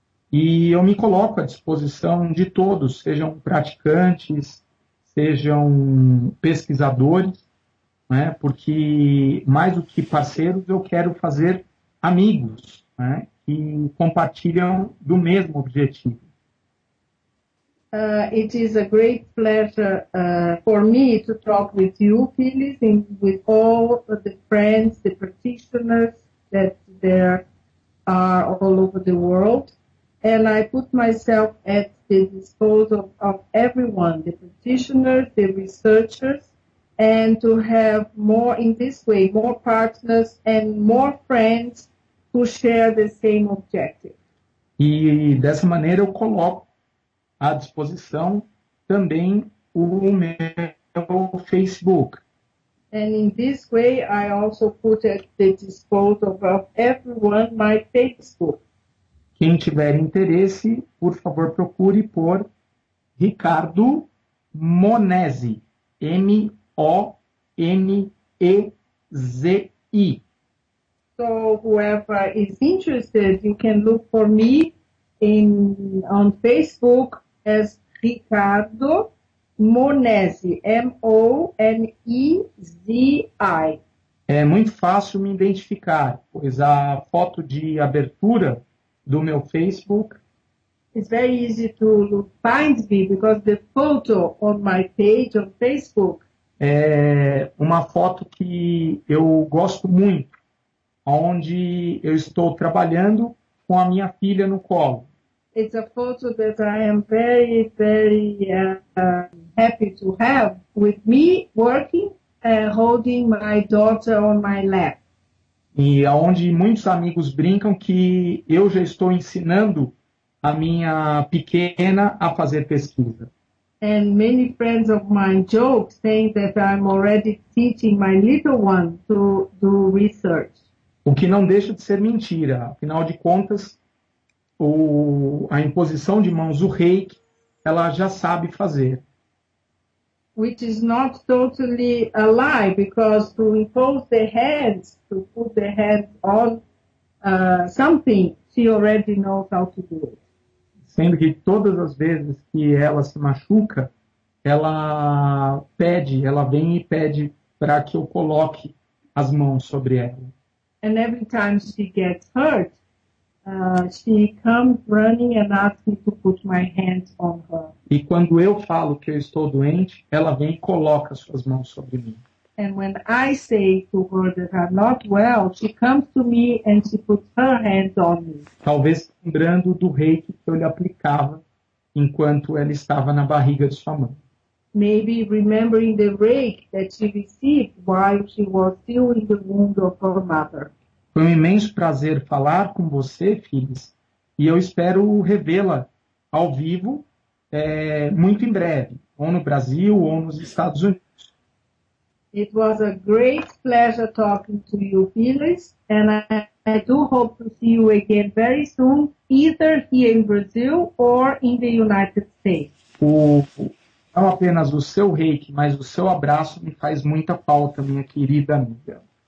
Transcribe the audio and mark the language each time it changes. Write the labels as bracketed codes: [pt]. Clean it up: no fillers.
[pt] E eu me coloco à disposição de todos, sejam praticantes, sejam pesquisadores, né? Porque mais do que parceiros, eu quero fazer amigos, né? Que compartilham do mesmo objetivo. [en] It is a great pleasure for me to talk with you, Phyllis, and with all of the friends, the practitioners that there are all over the world. and I put myself at the disposal of everyone, the practitioners, the researchers, and to have more, in this way, more partners and more friends to share the same objective. [pt] E dessa maneira eu coloco à disposição também o meu Facebook. [en] And in this way, I also put at the disposal of everyone my Facebook. [pt] Quem tiver interesse, por favor, procure por Ricardo Monezi, M-O-N-E-Z-I. [en] So, whoever is interested, you can look for me on Facebook as Ricardo Monezi, M-O-N-E-Z-I. [pt] É muito fácil me identificar, pois a foto de abertura do meu Facebook. [en] It's very easy to find me because the photo on my page on Facebook. [pt] É uma foto que eu gosto muito, onde eu estou trabalhando com a minha filha no colo. [en] It's a photo that I am very, very happy to have with me working and holding my daughter on my lap. [pt] E onde muitos amigos brincam que eu já estou ensinando a minha pequena a fazer pesquisa. [en] And many friends of mine joke saying that I'm already teaching my little one to do research. [pt] O que não deixa de ser mentira. Afinal de contas, a imposição de mãos, o reiki, ela já sabe fazer. [en] Which is not totally a lie, because to impose the hands, to put the hands on something, she already knows how to do it. [pt] Sendo que todas as vezes que ela se machuca, ela vem e pede para que eu coloque as mãos sobre ela. [en] And every time she gets hurt, she comes running and asks me to put my hands on her. [pt] E quando eu falo que eu estou doente, ela vem e coloca suas mãos sobre mim. [en] And when I say to her that I'm not well, she comes to me and she puts her hands on me. [pt] Talvez lembrando do reiki que eu lhe aplicava enquanto ela estava na barriga de sua mãe. [en] Maybe remembering the reiki that she received while she was still in the womb of her mother. [pt] Foi um imenso prazer falar com você, filhos, e eu espero revê-la ao vivo muito em breve, ou no Brasil ou nos Estados Unidos. [en] It was a great pleasure talking to you, Phyllis, and I do hope to see you again very soon, either here in Brazil or in the United States. [pt] Não apenas o seu reiki, mas o seu abraço me faz muita falta, minha querida amiga.